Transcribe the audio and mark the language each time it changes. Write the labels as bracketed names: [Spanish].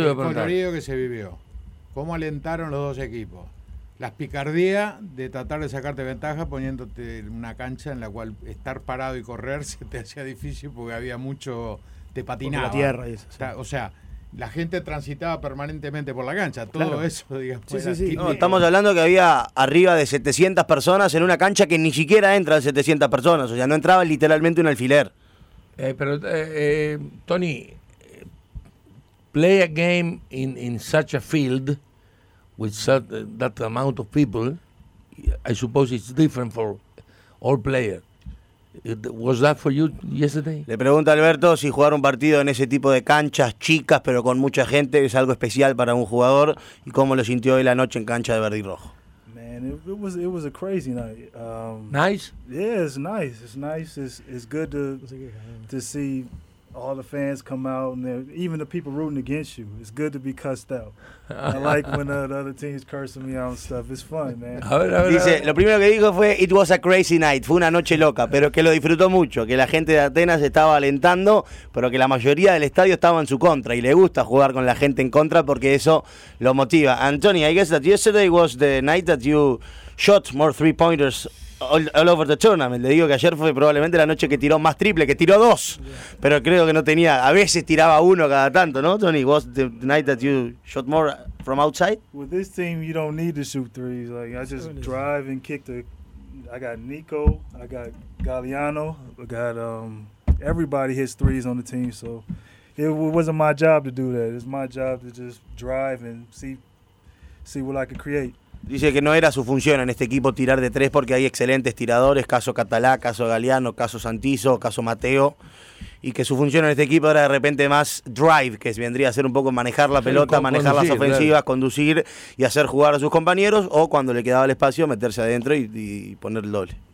[Spanish] de pronto. El colorido que se vivió, cómo alentaron los dos equipos, las picardías de tratar de sacarte ventaja poniéndote una cancha en la cual estar parado y correr se te hacía difícil porque había mucho, te patinaba. La tierra y eso, sí. O sea, la gente transitaba permanentemente por la cancha, todo eso, digamos. Sí. No, estamos hablando que había arriba de 700 personas en una cancha que ni siquiera entra 700 personas, o sea, no entraba literalmente un alfiler. [English] Tony, play a game in such a field with such, that amount of people, I suppose it's different for all players. Was that for you yesterday? [Spanish] Le pregunta Alberto si jugar un partido en ese tipo de canchas chicas pero con mucha gente es algo especial para un jugador y cómo lo sintió hoy la noche en cancha de verde y rojo. [English] Man, it was a crazy night. Nice. Yeah, it's nice. It's nice. It's good to see all the fans come out and even the people rooting against you. It's good to be cussed out. I like when the other teams cursing me out and stuff. It's fun, man. [Spanish] Dice, lo primero que dijo fue, [English] it was a crazy night. [Spanish] Fue una noche loca, pero que lo disfrutó mucho. Que la gente de Atenas estaba alentando, pero que la mayoría del estadio estaba en su contra. Y le gusta jugar con la gente en contra porque eso lo motiva. [English] Anthony, I guess that yesterday was the night that you shot more three-pointers all over the tournament. [Spanish] Le digo que ayer fue probablemente la noche que tiró más triple, que tiró 2. Pero creo que no tenía, a veces tiraba 1 cada tanto, ¿no, Tony? [English] Was the night that you shot more from outside? With this team, you don't need to shoot threes. Like, I just drive and kick the... I got Nico, I got Galeano, I got everybody hits threes on the team, so it wasn't my job to do that. It's my job to just drive and see what I can create. [Spanish] Dice que no era su función en este equipo tirar de tres porque hay excelentes tiradores, caso Catalá, caso Galeano, caso Santizo, caso Mateo, y que su función en este equipo era de repente más drive, que vendría a ser un poco manejar la pelota, manejar las ofensivas, claro, conducir y hacer jugar a sus compañeros, o cuando le quedaba el espacio meterse adentro y poner el doble.